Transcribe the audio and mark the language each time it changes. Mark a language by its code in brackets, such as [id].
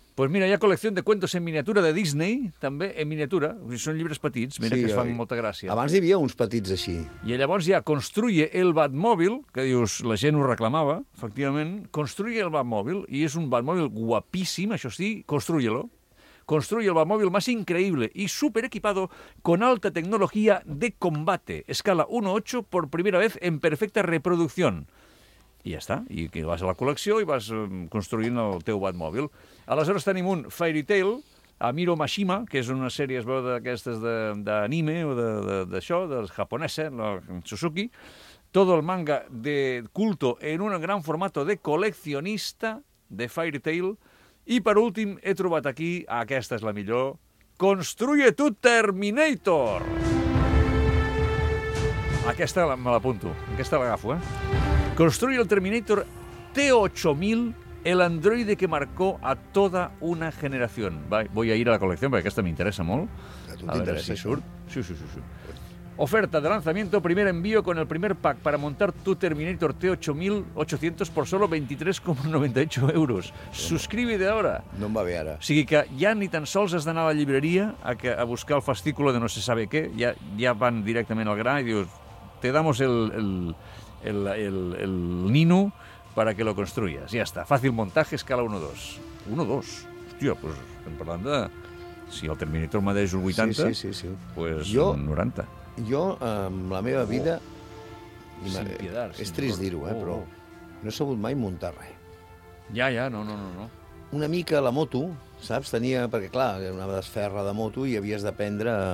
[ca] Pues mira, hi ha col·lecció de cuentos en miniatura de Disney, també en miniatura. Són llibres petits, mira, que es fan molta gràcia. Abans hi havia uns petits així. I llavors hi ha Construye el Batmóvil, que dius, la gent ho reclamava, efectivament. Construye el Batmóvil, i és un Batmóvil guapíssim, això sí, construyelo. [es] Construye el Batmóvil más increíble y super equipado con alta tecnología de combate. Escala 1-8 por primera vez en perfecta reproducción. [ca] I ja està. I vas a la col·lecció i vas construint el teu Batmóvil. Aleshores tenim un Fairy Tail, Amiro Mashima, que és una sèrie, es veu, d'aquestes d'anime o d'això, del japonès, Suzuki. [es] Todo el manga de culto en un gran formato de coleccionista de Fairy Tail. [ca] I per últim he trobat aquí, aquesta és la millor, Construye tu Terminator! Aquesta me l'apunto, aquesta l'agafo. [es] Construye el Terminator T-8000, el androide que marcó a toda una generación. Voy a ir a la colección, porque esta me interesa molt. [ca] A tu t'interessa, surt? Sí. [es] Oferta de lanzamiento, primer envío con el primer pack para montar tu Terminator T-8800 por solo 23,98 euros. Suscríbete ahora. [ca] No em va bé ara. O sigui que ja ni tan sols has d'anar a la llibreria a buscar el fascículo de no se sabe qué. [es] Ja van directament al gra i dius, te damos el Nino para que lo construyas. [ca] Ja està. Fàcil muntatge, escala 1-2. 1-2? Hòstia, pues estem parlant de... Si el Terminator mateix el 80, sí. Pues jo, un 90. Jo, amb la meva vida... Piedar, és trist dir-ho, però no he sabut mai muntar res. Ja, no. Una mica la moto, saps? Tenia... Perquè, clar, anava d'esferra de moto i havies d'aprendre...